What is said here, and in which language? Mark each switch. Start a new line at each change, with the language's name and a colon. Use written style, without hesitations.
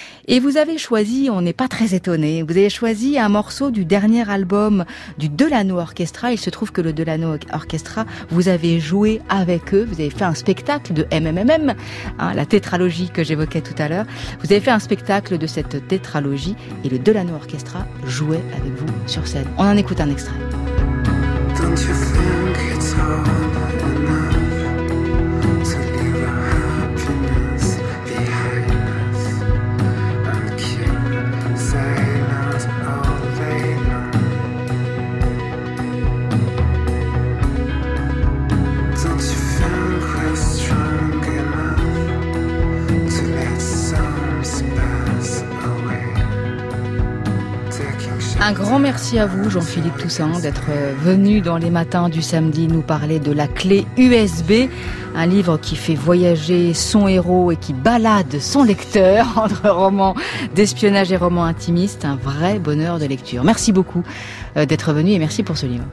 French: Et vous avez choisi, on n'est pas très étonné, vous avez choisi un morceau du dernier album du Delano Orchestra. Il se trouve que le Delano Orchestra, vous avez joué avec eux. Vous avez fait un spectacle de MMMM, hein, la tétralogie que j'évoquais tout à l'heure. Vous avez fait un spectacle de cette tétralogie et le Delano Orchestra jouait avec vous sur scène. On en écoute un extrait.
English: Don't you think it's hard enough to leave our happiness behind us? I'd keep saying that all day long. Don't you think we're strong enough to let some spells away?
French: Un grand merci à vous, Jean-Philippe Toussaint, d'être venu dans les matins du samedi nous parler de La Clé USB, un livre qui fait voyager son héros et qui balade son lecteur entre romans d'espionnage et romans intimistes. Un vrai bonheur de lecture. Merci beaucoup d'être venu et merci pour ce livre.